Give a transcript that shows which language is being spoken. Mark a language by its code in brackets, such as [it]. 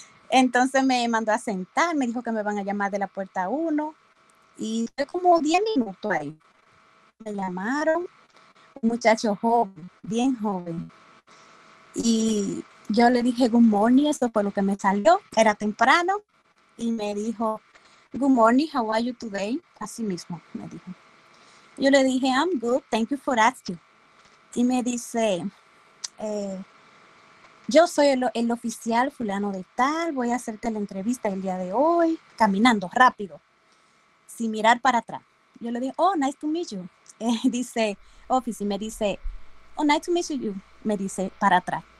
[es] Entonces me mandó a sentar, me dijo que me van a llamar de la puerta 1 y fue como 10 minutos ahí. Me llamaron, un muchacho joven, bien joven. Y yo le dije, [en] good morning, [es] eso fue lo que me salió, era temprano. Y me dijo, [en] good morning, how are you today? [es] Así mismo me dijo. Yo le dije, [en] I'm good, thank you for asking. [es] Y me dice, yo soy el oficial fulano de tal, voy a hacerte la entrevista el día de hoy, caminando rápido, sin mirar para atrás. Yo le dije, [en] oh, nice to meet you. [es] Dice, office, y me dice, oh, nice to meet you, me dice, para atrás.